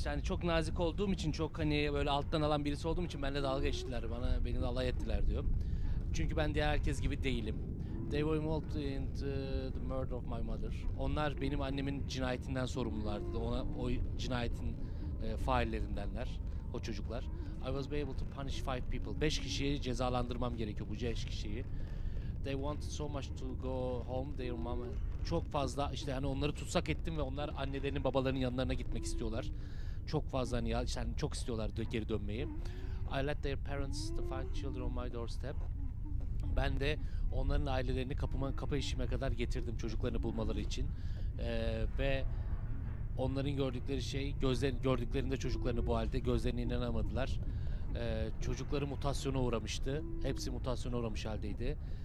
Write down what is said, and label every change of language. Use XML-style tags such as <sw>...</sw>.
<tr>Yani çok nazik olduğum için, çok hani böyle alttan alan birisi olduğum için benimle dalga geçtiler. Beni alay ettiler diyor. Çünkü ben diğer herkes gibi değilim.</tr> <en>They were involved in the murder of my mother.</en> <tr>Onlar benim annemin cinayetinden sorumlular dedi. Ona o cinayetin faillerindenler, o çocuklar.</tr> <en>I was able to punish 5 people.</en> <tr>5 kişiyi cezalandırmam gerekiyor, bu 5 kişiyi.</tr> <en>They wanted so much to go home, their mama.</en> <tr>Çok fazla işte hani onları tutsak ettim ve onlar annelerinin babalarının yanlarına gitmek istiyorlar. Çok fazla hani ya işte hani çok istiyorlar geri dönmeyi.</tr> <en>I let their parents to find children on my doorstep.</en> <tr>Ben de onların ailelerini kapı eşiğime kadar getirdim çocuklarını bulmaları için. Ve onların gördükleri şey, gördüklerinde çocuklarını bu halde, gözlerine inanamadılar. Çocukları mutasyona uğramıştı. Hepsi mutasyona uğramış haldeydi.</tr>